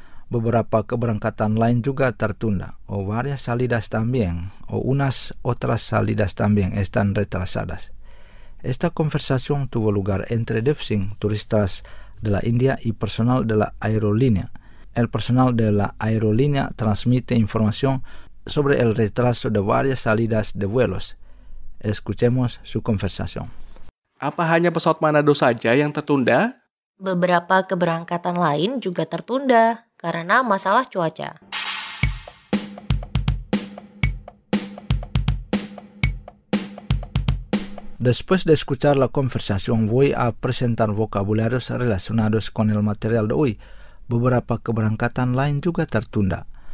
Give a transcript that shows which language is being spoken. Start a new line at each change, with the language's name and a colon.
Indonesian: Beberapa keberangkatan lain juga tertunda.
Spanish: O varias salidas también. O unas otras salidas también están retrasadas. Esta conversación tuvo lugar entre Dev Singh, turistas de la India, y personal de la aerolínea. El personal de la aerolínea transmite información sobre el retraso de varias salidas de vuelos. Escuchemos su conversación.
Indonesian: ¿Apa hanya pesawat Manado saja yang tertunda? Beberapa keberangkatan lain juga tertunda karena masalah cuaca.
Spanish: Después de escuchar la conversación, voy a presentar vocabularios relacionados con el material de hoy.
Indonesian: Beberapa keberangkatan lain juga tertunda.